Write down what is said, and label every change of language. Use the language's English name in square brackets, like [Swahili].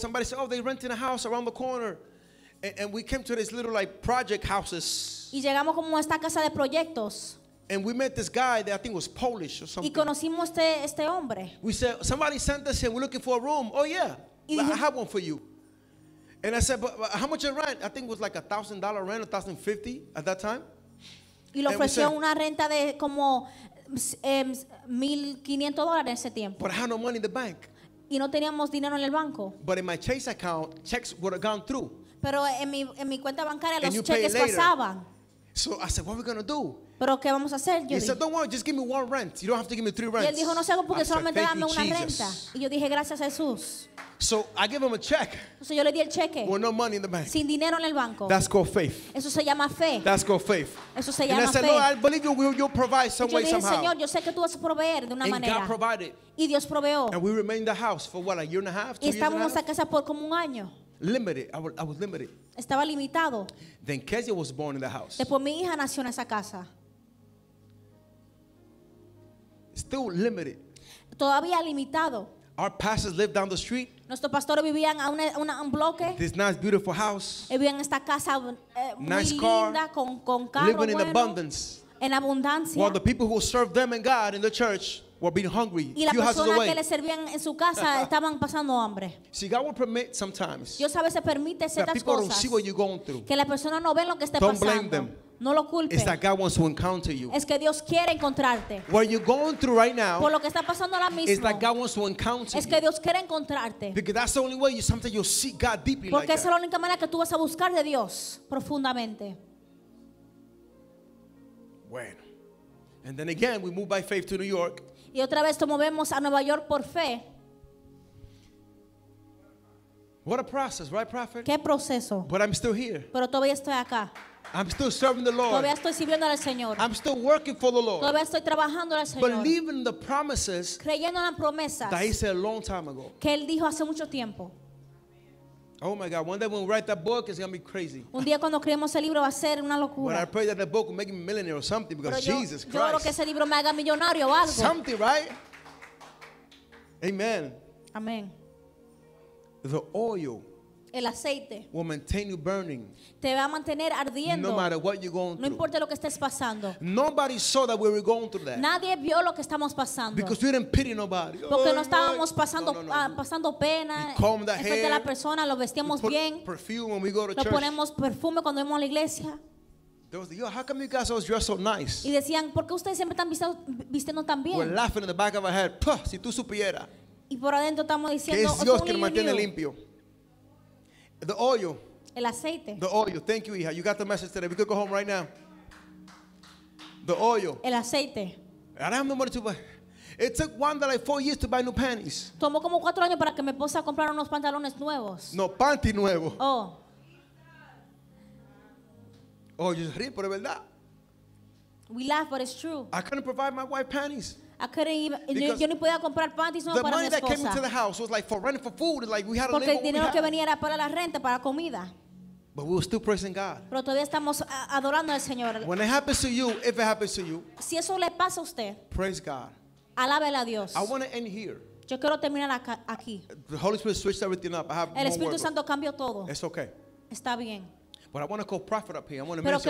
[English] Somebody said, oh, they renting a house around the corner. And we came to this little like project houses. [Spanish] Y llegamos como a esta casa de proyectos. [English] And we met this guy that I think was Polish or something. [Spanish] Y conocimos este hombre. [English] We said, somebody sent us here. We're looking for a room. Oh, yeah. Well, I have one for you. And I said, but how much you rent? I think it was like $1,000 rent, $1,050 at that time. [Spanish] Y le ofreció una renta de como $1,500 en ese tiempo. [English] But I had no money in the bank. [Spanish] Y no teníamos dinero en el banco. [English] But in my Chase account, checks would have gone through. [Spanish] Pero en mi cuenta bancaria los cheques pasaban. [English] So I said, what are we going to do? [Spanish] Pero ¿qué vamos a hacer? [English] He said, don't worry, just give me one rent. You don't have to give me three rents. [Spanish] Y él dijo, no sé, porque solamente dame una renta. Y yo dije, gracias, Jesús. [English] So I give him a check. [Spanish] So yo le di el cheque. [English] With no money in the bank. [Spanish] Sin dinero en el banco. [English] That's called faith. [Spanish] Eso se llama fe. [English] That's called faith. [Spanish] Eso se llama [English] fe. And I said, Lord, I believe you'll provide some way, somehow. [Spanish] Señor, yo sé que tú vas a proveer de una manera. [English] And God provided. [Spanish] Y Dios proveó. [English] And we remained in the house for what, a year and a half, 2 years and a half? [Spanish] Y estábamos en casa por como un año. [English] Limited. I was limited. [Spanish] Estaba limitado. [English] Then Kezia was born in the house. [Spanish] Después mi hija nació en esa casa. [English] Still limited. [Spanish] Todavía limitado. [English] Our pastors lived down the street. [Spanish] Nuestros pastores vivían a un bloque. [English] This nice, beautiful house. [Spanish] Vivían esta casa [English] nice [Spanish] muy [English] car, [Spanish] linda con carro. [English] Living [Spanish] bueno, [English] in abundance. [Spanish] En abundancia. [English] While the people who served them and God in the church were being hungry. [Spanish] Y las personas que les servían en su casa estaban pasando hambre. [English] See, God will permit sometimes. [Spanish] Dios a veces permite ciertas cosas. [English] That people don't see what you're going through. [Spanish] Que las personas no ven lo que esté pasando. [English] Don't blame them. [Spanish] No lo culpe. [English] It's that God wants to encounter you. [Spanish] Es que Dios quiere encontrarte. [English] What you're going through right now. [Spanish] Por lo que está pasando ahora mismo. [English] Is that God wants to encounter you. [Spanish] Es que Dios quiere encontrarte. [English] Because that's the only way sometimes you'll seek God deeply. [Spanish] Porque [English] like [Spanish] esa es la única manera que tú vas a buscar de Dios profundamente. [English] Bueno. And then again, we moved by faith to New York. [Spanish] Y otra vez nos movemos a Nueva York por fe. [English] What a process, right, prophet? [Spanish] ¿Qué proceso? [English] But I'm still here. [Spanish] Pero todavía estoy acá. [English] I'm still serving the Lord. [Spanish] Todavía estoy sirviendo al Señor. [English] I'm still working for the Lord. [Spanish] Todavía estoy trabajando al Señor. [English] Believing the promises. [Spanish] Creyendo en las promesas. [English] That he said a long time ago. [Spanish] Que él dijo hace mucho tiempo. [English] Oh my God, one day when we write that book, it's going to be crazy. [Spanish] Un día cuando escribamos el libro va a ser una locura. [English] But I pray that the book will make me a millionaire or something, because yo, Jesus Christ. [Spanish] Yo creo que ese libro me haga millonario o algo. [English] Something, right? Amen. [Spanish] Amen. [English] The oil, [Spanish] el aceite, [English] will maintain you burning. [Spanish] Te va a mantener ardiendo. [English] No matter what you're going through. [Spanish] No importa lo que estés pasando. [English] Nobody saw that we were going through that. [Spanish] Nadie vio lo que estamos pasando. [English] Because we didn't pity nobody. [Spanish] Porque no estábamos pasando pasando pena. [English] We combed the hair. [Spanish] De la persona lo vestíamos bien. [English] We put perfume when we go to church. [Spanish] Lo ponemos perfume cuando vamos a la iglesia. [English] They was like, yo, how come you guys always dress so nice? [Spanish] Y decían, ¿por qué ustedes siempre están vistiendo tan bien? [English] We're laughing in the back of our head. [Spanish] Puh, si tú supieras. Y por adentro estamos diciendo, que es Dios que lo mantiene limpio. [English] The oil. [Spanish] El aceite. [English] The oil. Thank you, hija. You got the message today. We could go home right now. The oil. [Spanish] El aceite. [English] I don't have no money to buy. It took one that like 4 years to buy new panties. [Spanish] Tomó como 4 años para que mi esposa comprara unos pantalones nuevos. No, panty nuevo. Oh. [English] Oh, you just [Spanish] ríe, pero es verdad. [English] We laugh, but it's true. I couldn't provide my wife panties. [Spanish] Yo ni podía comprar panties para mi esposa. [English] The money that came into the house was like for rent for food. Like we had a [Spanish] limbo. Porque el dinero que venía era para la renta, para comida. [English] But we were still praising God. [Spanish] Pero todavía estamos adorando al Señor. [English] When it happens to you, if it happens to you, [Spanish] si eso le pasa a usted, [English] praise God. [Spanish] Alábele a Dios. [English] I want to end here. [Spanish] Yo quiero terminar aquí. [English] The Holy Spirit switched everything up. I have [Spanish] el Espíritu Santo cambió todo. [English] It's okay. [Spanish] Está bien. [English] But I want to call prophet up here. I want to minister.